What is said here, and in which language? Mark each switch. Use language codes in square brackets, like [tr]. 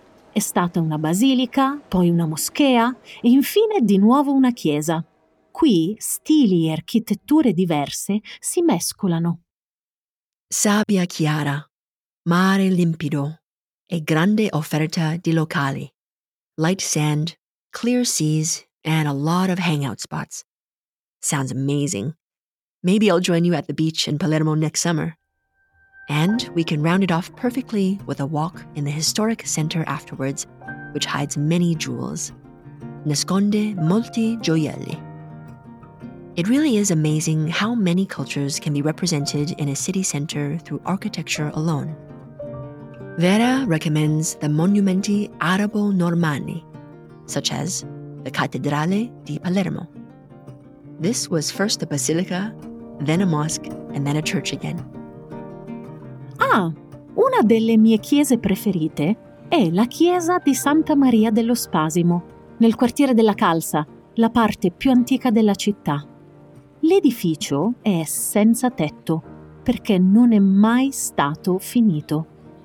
[it] È stata una basilica, poi una moschea e infine di nuovo una chiesa. qui stili e architetture diverse si mescolano. Sabbia chiara, mare limpido e grande offerta di locali. [en] Light sand, clear seas, and a lot of hangout spots. Sounds amazing. Maybe I'll join you at the beach in Palermo next summer. And we can round it off perfectly with a walk in the historic center afterwards, which hides many jewels. [it] Nasconde molti gioielli. [en] It really is amazing how many cultures can be represented in a city center through architecture alone. Vera recommends the Monumenti Arabo-Normanni, such as the Cattedrale di Palermo. This was first a basilica, then a mosque, and then a church again. [it] Ah, una delle mie chiese preferite è la chiesa di Santa Maria dello Spasimo, nel quartiere della Calza, la parte più antica della città. L'edificio è senza tetto, perché non è mai stato finito.